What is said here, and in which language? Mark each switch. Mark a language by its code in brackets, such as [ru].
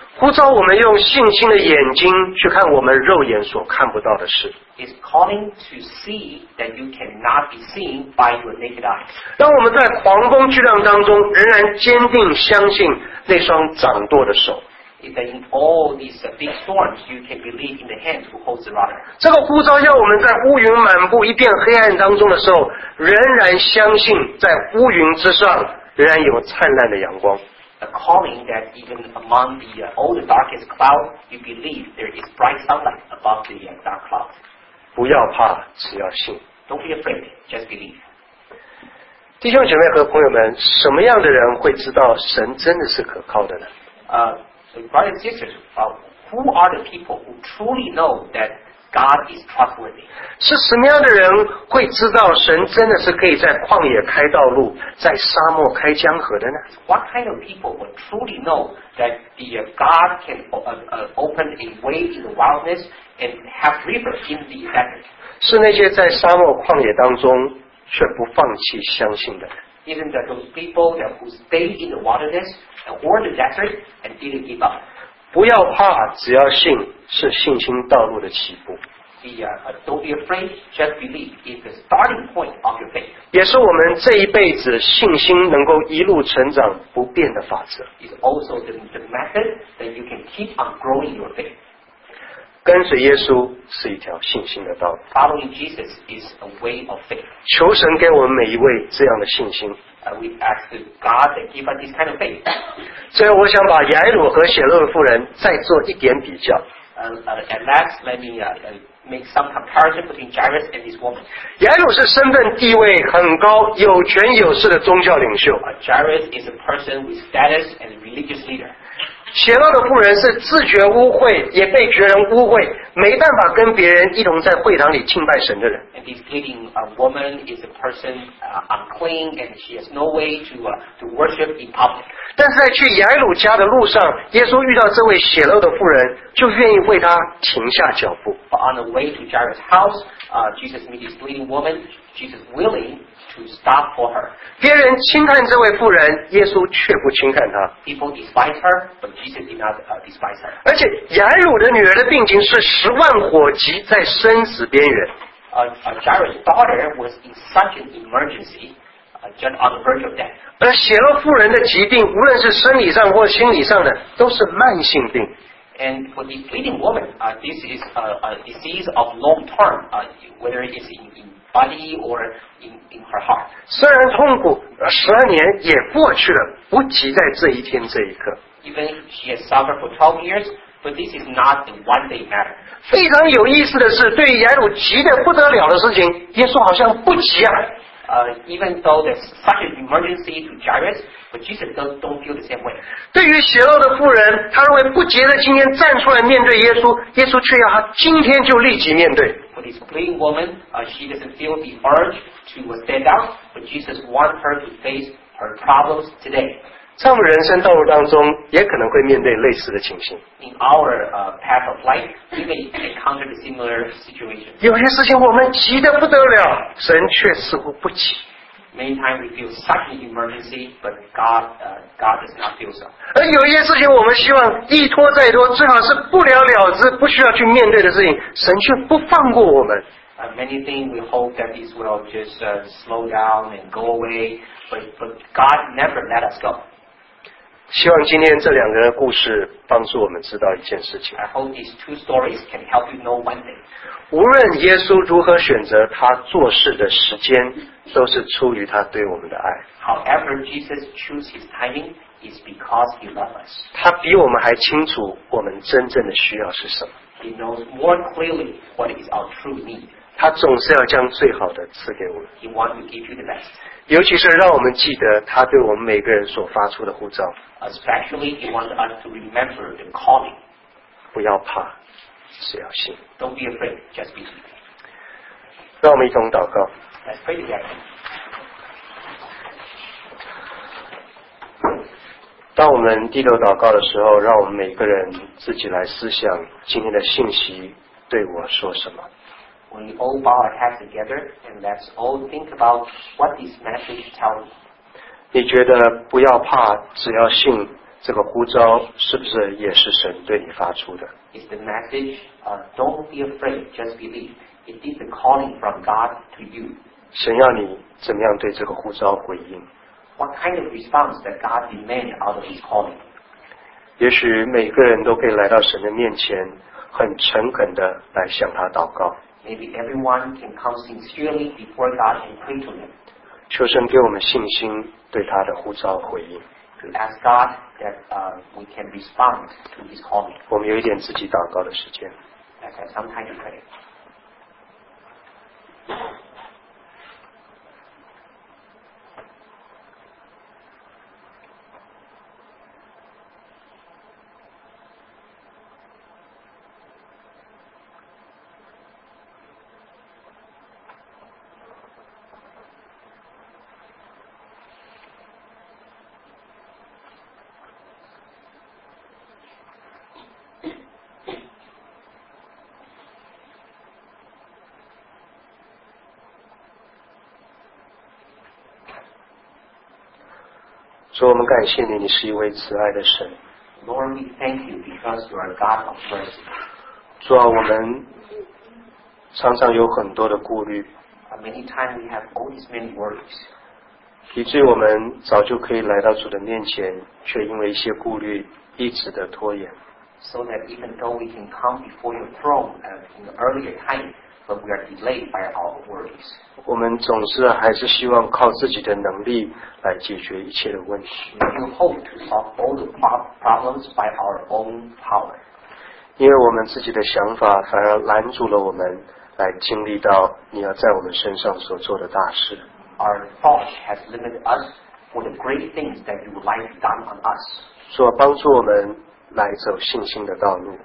[zh] 呼召我们用信心的眼睛去看我们肉眼所看不到的事。 [en] Is calling to see that you cannot be seen by your naked eyes. [zh] 当我们在狂风巨浪当中仍然坚定相信那双掌舵的手。 [en] Is that in all these big storms you can believe in the hand who holds the rudder. [zh] 这个呼召要我们在乌云满布一片黑暗当中的时候仍然相信在乌云之上仍然有灿烂的阳光。 [en] A calling that even among the all the darkest clouds, you believe there is bright sunlight above the dark clouds. [zh] 不要怕，只要信。 [en] Don't be afraid, just believe. [zh] 弟兄姐妹和朋友们，什么样的人会知道神真的是可靠的呢？ [en] So brothers and sisters, who are the people who truly know that God is trustworthy? [zh] 是什么样的人会知道神真的是可以在旷野开道路，在沙漠开江河的呢？ [en] What kind of people would truly know that the God can open a way in the wilderness and have rivers in the desert? [zh] 是那些在沙漠旷野当中却不放弃相信的。 [en] Isn't that those people that who stay in the wilderness or the desert and didn't give up? [zh] 不要怕，只要信，是信心道路的起步。 [en] Don't be afraid, just believe is the starting point of your faith. [zh] 也是我们这一辈子信心能够一路成长不变的法则。 [en] It's also the method that you can keep on growing your faith. [zh] 跟随耶稣是一条信心的道路。 [en] Following Jesus is a way of faith. [zh] 求神给我们每一位这样的信心。 [en] We ask God to give us this kind of faith. [zh] 最后，我想把雅鲁和血漏的妇人再做一点比较。 [en] At last, let me make some comparison between Jairus and this woman. [zh] 雅鲁是身份地位很高、有权有势的宗教领袖。 [en] Jairus is a person with status and religious leader. [zh] 血漏的妇人是自觉污秽，也被别人污秽，没办法跟别人一同在会堂里敬拜神的人。 [en] And this bleeding woman is a person unclean, and she has no way to worship in public. [zh] 但是在去雅鲁家的路上，耶稣遇到这位血漏的妇人，就愿意为她停下脚步。 [en] But on the way to Jairus' house, Jesus meets this bleeding woman. Jesus willing to stop for her. [zh] 别人轻看这位妇人，耶稣却不轻看她。 [en] People despise her, but Jesus did not despise her. [zh] 而且雅鲁的女儿的病情是十万火急，在生死边缘。 [en] Jairus' daughter was in such an emergency, just on the verge of death. [zh] 而血漏妇人的疾病，无论是生理上或心理上的，都是慢性病。 [en] And for the bleeding woman, this is a disease of long term, whether it is in body or in her heart. [zh] 虽然痛苦十二年也过去了，不急在这一天这一刻。 [en] Even she has suffered for 12 years. But this is not a one-day matter. [zh] 非常有意思的是，对于雅鲁急得不得了的事情，耶稣好像不急啊。 [en] Even though there's such an emergency to Jairus, but Jesus don't feel the same way. [zh] 对于血漏的妇人，他认为不急的今天站出来面对耶稣，耶稣却要他今天就立即面对。 [en] For this bleeding woman, she doesn't feel the urge to stand up, but Jesus wants her to face her problems today. [zh] 在我们人生道路当中，也可能会面对类似的情形。 [en] In our path of life, we may encounter a similar situation. [zh] 有些事情我们急得不得了，神却似乎不急。 [en] Many times we feel such an emergency, but God does not feel so. [zh] 而有些事情我们希望一拖再拖，最好是不了了之，不需要去面对的事情，神却不放过我们。 [en] Many things we hope that this will just slow down and go away, but God never let us go. [zh] 希望今天这两个人的故事帮助我们知道一件事情。 [en] I hope these two stories can help you know one thing. [zh] 无论耶稣如何选择他做事的时间，都是出于他对我们的爱。 [en] However, Jesus chooses his timing is because he loves us. [zh] 他比我们还清楚我们真正的需要是什么。 [en] He knows more clearly what is our true need. [zh] 他总是要将最好的赐给我们。 [en] He wants to give you the best. [zh] 尤其是让我们记得他对我们每个人所发出的呼召。 [en] Especially, he wants us to remember the calling. [zh] 不要怕，只要信。 [en] Don't be afraid, just be. [zh] 让我们一同祷告。 [en] Let's pray together. [zh] 当我们低头祷告的时候，让我们每个人自己来思想今天的信息对我说什么。 [en] When we all bow our heads together and let's all think about what this message tells me. [zh] 你觉得不要怕，只要信，这个呼召是不是也是神对你发出的？ [en] Is the message, don't be afraid, just believe. It is a calling from God to you. [zh] 神要你怎么样对这个呼召回应？ [en] What kind of response that God demand out of his calling? [zh] 也许每个人都可以来到神的面前，很诚恳地来向他祷告。 [en] Maybe everyone can come sincerely before God and pray to him. [zh] 求神给我们信心对他的呼召回应。 [en] To ask God that we can respond to his calling. [zh] 我们有一点自己祷告的时间。 [en] Let's have some time to pray. [zh] 所以我们感谢你，你是一位慈爱的神。 [en] Lord, we thank you because you are God of mercy. [zh] 主啊，我们常常有很多的顾虑。 [en] Many times we have all these many worries. [zh] 以至于我们早就可以来到主的面前，却因为一些顾虑一直的拖延。 [en] So that even though we can come before your throne in the earlier time, but we are delayed by our worries. [zh] 我们总是还是希望靠自己的能力来解决一切的问题。 [en] We hope to solve all the problems by our own power. [zh] 因为我们自己的想法反而拦阻了我们来经历到你要在我们身上所做的大事。 [en] Our thought has limited us for the great things that you would like done on us. [zh] 所帮助我们来走信心的道路。